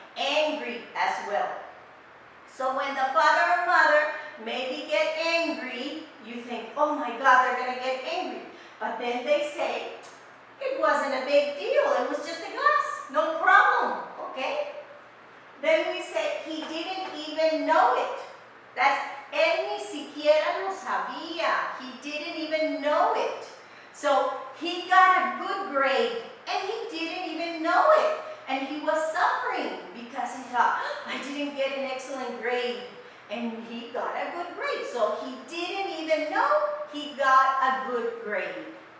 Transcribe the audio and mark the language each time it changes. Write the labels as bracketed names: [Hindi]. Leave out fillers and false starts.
[English] Angry as well. So when the father or mother maybe get angry, you think, oh my God, they're going to get angry. But then they say, it wasn't a big deal. It was just a glass. No problem. Okay? Then we say, he didn't even know it. [Spanish] That's, él ni siquiera lo sabía. [English] He didn't even know it. So, he got a good grade, and he didn't even know it. And he was suffering because he thought, I didn't get an excellent grade. And he got a good grade. So he didn't even know he got a good grade.